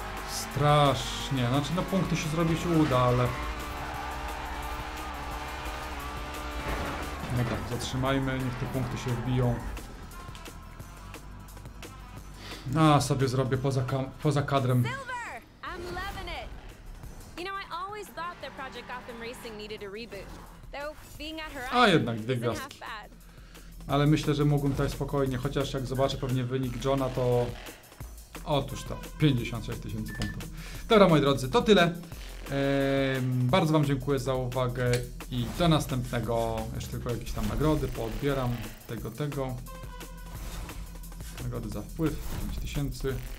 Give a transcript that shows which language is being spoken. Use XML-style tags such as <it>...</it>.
<pl>Strasznie, znaczy na punkty się zrobić uda, ale... Dobra, zatrzymajmy, niech te punkty się wbiją. A, sobie zrobię poza kadrem.</pl> <en>Silver! I'm loving it! You know, I always thought that Project Gotham Racing needed a reboot. Though, being at her...</en> <pl>A, jednak, dwie gwiazdki. Ale myślę, że mógłbym tutaj spokojnie, chociaż jak zobaczę pewnie wynik Johna, to... Otóż to, 56 tysięcy punktów. Dobra, moi drodzy, to tyle. Bardzo wam dziękuję za uwagę i do następnego. Jeszcze tylko jakieś tam nagrody poodbieram. Tego. Nagrody za wpływ, 5 tysięcy.</pl>